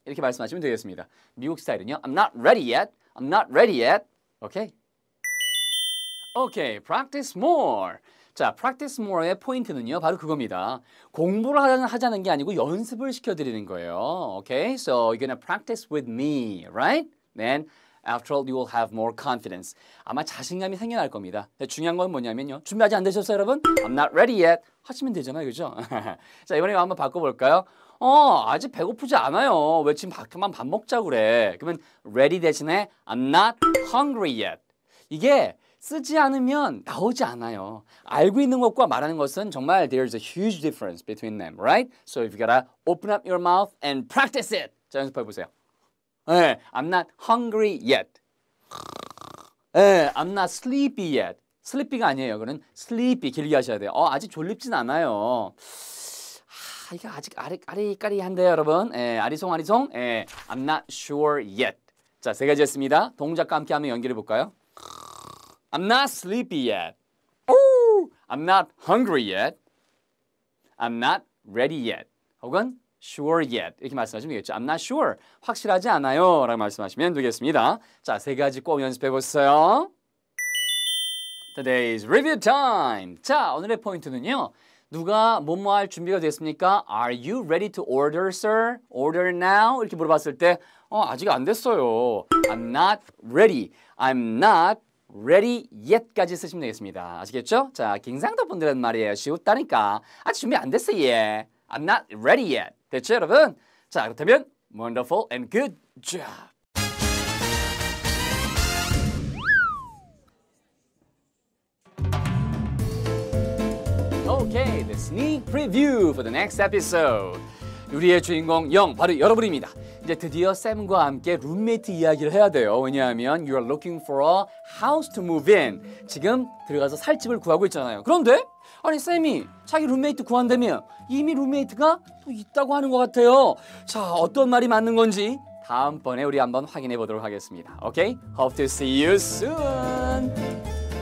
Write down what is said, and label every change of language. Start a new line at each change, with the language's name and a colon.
Korean: 이렇게 말씀하시면 되겠습니다. 미국 스타일은요.
English: I'm not ready yet. I'm not ready yet. 오케이? Okay, practice more.
Korean: 자, practice more의 포인트는요, 바로 그겁니다. 공부를 하자는 게 아니고 연습을 시켜드리는 거예요.
English: Okay, so you're gonna practice with me, right? Then, after all, you will have more confidence.
Korean: 아마 자신감이 생겨날 겁니다. 중요한 건 뭐냐면요. 준비 아직 안 되셨어요, 여러분?
English: I'm not ready yet.
Korean: 하시면 되잖아요, 그죠? 자, 이번에 한번 바꿔볼까요? 아직 배고프지 않아요. 왜 지금 밖에만 밥 먹자고 그래? 그러면
English: ready
Korean: 대신에
English: I'm not hungry yet.
Korean: 이게 쓰지 않으면 나오지 않아요. 알고 있는 것과 말하는 것은 정말
English: there's a huge difference between them, right? So you've got to open up your mouth and practice it.
Korean: 자, 연습해 보세요. 네,
English: I'm not hungry yet. 네, I'm not sleepy yet.
Korean: Sleepy가 아니에요. 그건 sleepy 길게 하셔야 돼요. 아직 졸립진 않아요. 이게 아직 아리까리한데요, 여러분. 네, 아리송아리송. 네,
English: I'm not sure yet.
Korean: 자, 세 가지 했습니다. 동작과 함께 한번 연결해 볼까요?
English: I'm not sleepy yet. I'm not hungry yet. I'm not ready yet. 혹은 sure yet.
Korean: 이렇게 말씀하시면 되겠죠.
English: I'm not sure.
Korean: 확실하지 않아요. 라고 말씀하시면 되겠습니다. 자, 세 가지 꼭 연습해 보세요.
English: Today's review time.
Korean: 자, 오늘의 포인트는요. 누가 뭐뭐 할 준비가 됐습니까?
English: Are you ready to order, sir? Order now?
Korean: 이렇게 물어봤을 때 아직 안 됐어요.
English: I'm not ready. I'm not ready yet까지
Korean: 쓰시면 되겠습니다. 아시겠죠? 자, 긴장도 분들은 말이에요. 쉬웠다니까. 아직 준비 안 됐어, 예.
English: I'm not ready yet.
Korean: 됐죠, 여러분? 자, 그렇다면
English: wonderful and good job. 오케이, the sneak preview for the next episode.
Korean: 우리의 주인공 영, 바로 여러분입니다. 이제 드디어 쌤과 함께 룸메이트 이야기를 해야 돼요. 왜냐하면
English: you are looking for a house to move in.
Korean: 지금 들어가서 살 집을 구하고 있잖아요. 그런데 아니 쌤이 자기 룸메이트 구한다며 이미 룸메이트가 또 있다고 하는 것 같아요. 자, 어떤 말이 맞는 건지 다음번에 우리 한번 확인해 보도록 하겠습니다. 오케이?
English: Hope to see you soon!